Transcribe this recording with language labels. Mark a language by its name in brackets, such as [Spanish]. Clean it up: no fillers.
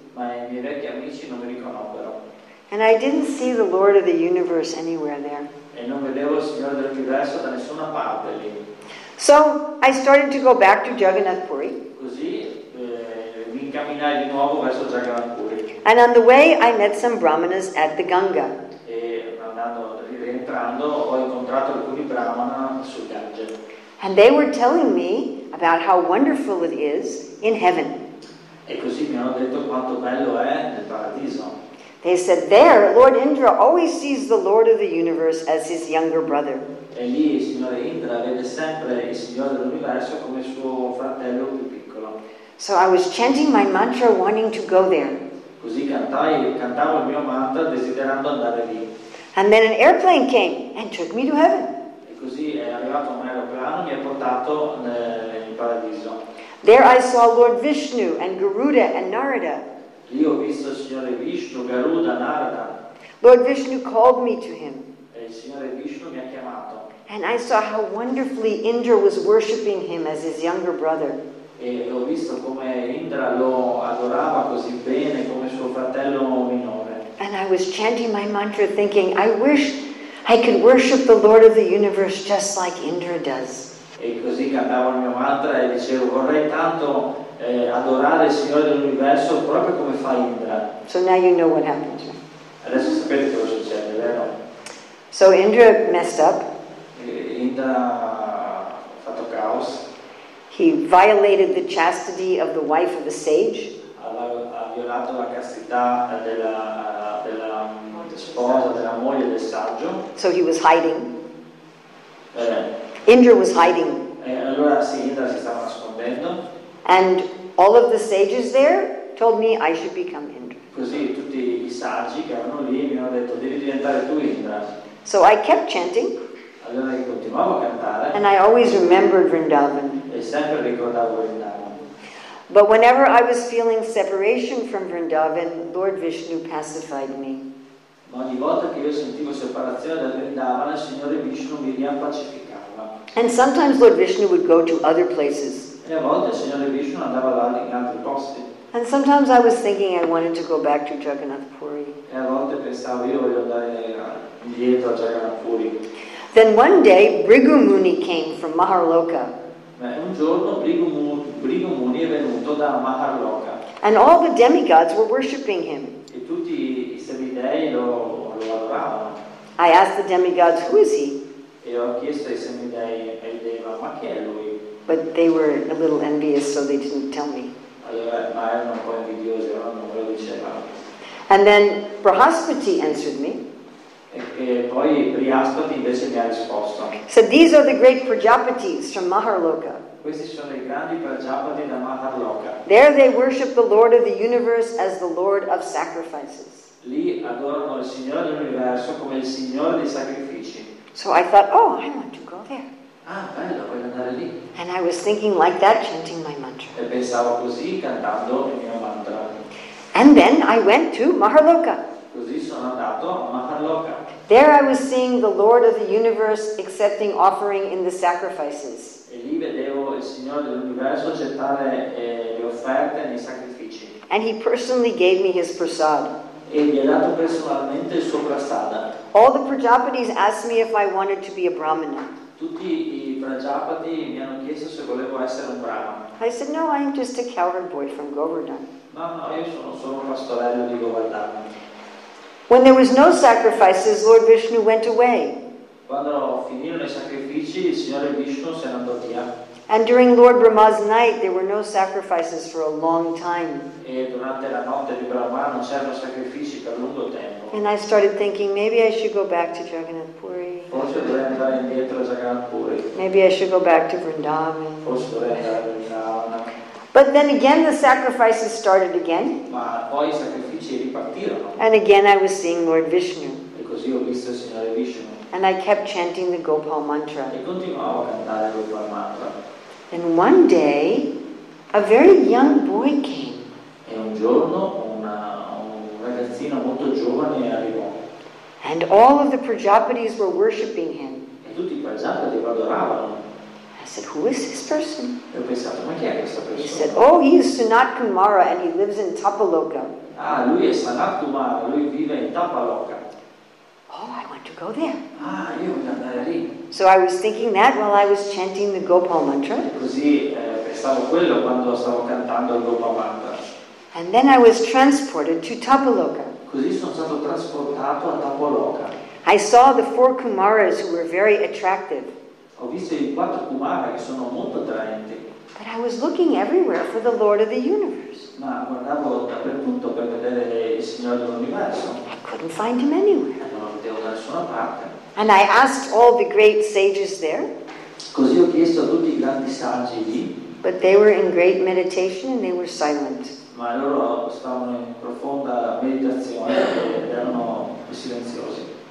[Italian] Ma i miei vecchi amici non mi riconobbero. [English] And I didn't see the Lord of the Universe anywhere there. [Italian] E non vedevo il Signore dell'Universo da nessuna parte lì. [English] So I started to go back to Jagannath Puri. [Italian] Così mi incamminai di nuovo verso Jagannath Puri. [English] And on the way I met some brahmanas at the Ganga. [Italian] Rientrando ho incontrato alcuni brahmana sul Gange. [English] And they were telling me about how wonderful it is in heaven. [Italian] E così mi hanno detto quanto bello è nel paradiso. [English] They said there Lord Indra always sees the Lord of the Universe as his younger brother. [Italian] E lì il signore Indra vede sempre il signore dell'universo come suo fratello più piccolo. [English] So I was chanting my mantra wanting to go there. [Italian] Così cantavo il mio mantra desiderando andare lì. [English] And then an airplane came and took me to heaven. [Italian] E così è arrivato un aeroplano e mi ha portato in paradiso. [English] There I saw Lord Vishnu and Garuda and Narada. [Italian] Lì ho visto il signore Vishnu, Garuda, Narada. [English] Lord Vishnu called me to him. [Italian] E il Signore Vishnu mi ha chiamato. [English] And I saw how wonderfully Indra was worshiping him as his younger brother. [Italian] E ho visto come Indra lo adorava così bene come suo fratello minore. [English] And I was chanting my mantra thinking, I wish I could worship the Lord of the universe just like Indra does. [Italian] E così cantavo il mio mantra e dicevo, vorrei tanto adorare il Signore dell'universo proprio come fa Indra. [English] So now you know what happened. [Italian] Adesso sapete cosa succede, vero? [English] So Indra messed up. [Italian] Indra ha fatto caos. [English] He violated the chastity of the wife of a sage. [Italian] Ha violato la castità della sposa, della moglie del saggio. [English] So he was hiding. Indra was hiding. [Italian] Allora sì, Indra si stava nascondendo. [English] And all of the sages there told me I should become Indra. [Italian] Così tutti i saggi che erano lì mi hanno detto devi diventare tu Indra. [English] So I kept chanting. [Italian] Allora io continuavo a cantare. [English] And I always remembered Vrindavan. [Italian] E sempre ricordavo Vrindavan. [English] But whenever I was feeling separation from Vrindavan, Lord Vishnu pacified me. [Italian] Ma ogni volta che io sentivo separazione da Vrindavan, il Signore Vishnu mi riappacificava. [English] And sometimes Lord Vishnu would go to other places. [Italian] E a volte il Signore Vishnu andava là in altri posti. [English] And sometimes I was thinking I wanted to go back to Jagannath Puri. [Italian] E a volte pensavo io voglio andare indietro a Jagannath Puri. [English] Then one day Bhrigu Muni came from Maharloka. [Italian] Beh, un giorno Bhrigu Muni è venuto da Maharloka. [English] And all the demigods were worshipping him. [Italian] E tutti i semidei lo adoravano. [English] I asked the demigods, who is he? [Italian] E ho chiesto ai semidei e il deva, ma chi è lui? [English] But they were a little envious, so they didn't tell me. [Italian] Allora, ma erano un po' invidiosi, ma non lo dicevano. [English] And then Brihaspati answered me. [Italian] E poi Brihaspati invece mi ha risposto. [English] So these are the great Prajapatis from Maharloka. [Italian] Questi sono i grandi Prajapati da Maharloka. [English] There they worship the Lord of the universe as the Lord of sacrifices. [Italian] Lì adorano il Signore dell'universo come il Signore dei sacrifici. [English] So I thought, oh, I want to go there. [Italian] Ah, bello, voglio andare lì. [English] And I was thinking like that, chanting my mantra. [Italian] E pensavo così, cantando il mio mantra. [English] And then I went to Maharloka. [Italian] Così sono andato a Maharloka. [English] There I was seeing the Lord of the universe accepting offering in the sacrifices. [Italian] E lì vedevo il Signore dell'universo accettare le offerte nei sacrifici. [English] And he personally gave me his prasad. [Italian] E mi ha dato personalmente il suo prasada. [English] All the Prajapatis asked me if I wanted to be a Brahmana. [Italian] Tutti i Prajapati mi hanno chiesto se volevo essere un Brahmana. [English] I said, no, I'm just a cowherd boy from Govardhan. [Italian] No, io sono solo un pastorello di Govardhan. [English] When there was no sacrifices, Lord Vishnu went away. [Italian] Quando finirono i sacrifici, il Signore Vishnu se ne andò via. [English] And during Lord Brahma's night, there were no sacrifices for a long time. [Italian] E durante la notte di Brahma non c'erano sacrifici per lungo tempo. [English] And I started thinking, maybe I should go back to Jagannath Puri. [Italian] Forse dovrei andare indietro a Jagannath Puri. [English] Maybe I should go back to Vrindavan. [Italian] Forse dovrei andare a Vrindavan. [English] But then again the sacrifices started again. [Italian] Ma poi i sacrifici ripartirono. [English] And again I was seeing Lord Vishnu. [Italian] E così ho visto il Signore Vishnu. [English] And I kept chanting the Gopal mantra. [Italian] E continuavo a cantare il Gopal mantra. [English] And one day, a very young boy came. [Italian] E un giorno un ragazzino molto giovane arrivò. [English] And all of the Prajapatis were worshipping him. [Italian] E tutti i Prajapati lo adoravano. [English] I said, who is this person? [Italian] E ho pensato, ma chi è questa persona? [English] He said, oh, he is Sanat Kumara and he lives in Tapaloka. [Italian] Ah, lui è Sanat Kumara, lui vive in Tapaloka. [English] Oh, I want to go there. [Italian] Ah, io voglio andare lì. [English] So I was thinking that while I was chanting the Gopal mantra. [Italian] E così pensavo quello quando stavo cantando il Gopal mantra. [English] And then I was transported to Tapaloka. [Italian] Così sono stato trasportato a Tapaloka. [English] I saw the four Kumaras who were very attractive. [Italian] Ho visto i quattro Kumara che sono molto attraenti. [English] But I was looking everywhere for the Lord of the Universe. [Italian] Ma guardavo dappertutto per vedere il Signore dell'Universo. [English] I couldn't find him anywhere. [Italian] Non lo vedevo da nessuna parte. [English] And I asked all the great sages there. [Italian] Così ho chiesto a tutti i grandi saggi lì. [English] But they were in great meditation and they were silent. [Italian] Ma loro stavano in profonda meditazione ed erano silenziosi.